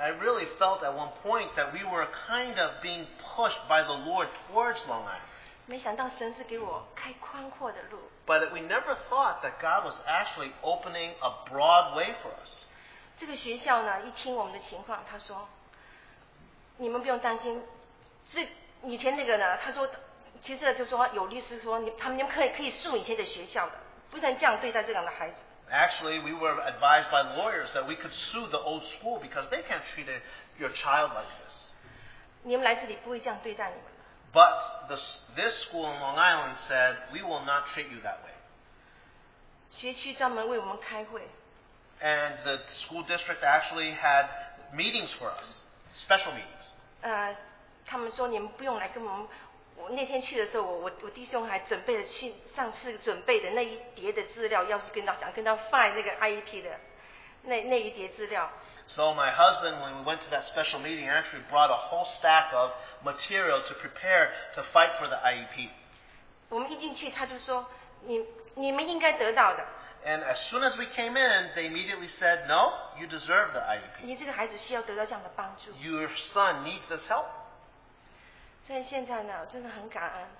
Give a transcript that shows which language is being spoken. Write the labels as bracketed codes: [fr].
[en] I really felt at one point that we were kind of being pushed by the Lord towards Long Island。 [zh] 没想到神是给我开宽阔的路。 [en] But we never thought that God was actually opening a broad way for us。 [zh] 这个学校呢，一听我们的情况，他说，你们不用担心，是以前那个呢，他说。其实就说有律师说你们可以诉以前的学校的，不能这样对待这样的孩子。 [en] Actually, we were advised by lawyers that we could sue the old school because they can't treat your child like this. [zh] 你们来这里不会这样对待你们的。 [en] But this school in Long Island said we will not treat you that way. [zh] 学区专门为我们开会。 [en] And the school district actually had meetings for us, special meetings. [zh] 他们说你们不用来跟我们。我那天去的时候，我弟兄还准备了去上次准备的那一叠的资料，要是跟他 file 那个 IEP 的那一叠资料。 [en] So my husband, when we went to that special meeting, actually brought a whole stack of material to prepare to fight for the IEP. [zh] 我们一进去，他就说你们应该得到的。 [en] And as soon as we came in, they immediately said, "No, you deserve the IEP." [zh] 你这个孩子需要得到这样的帮助。 [en] Your son needs this help. [zh] 所以现在呢，真的很感恩。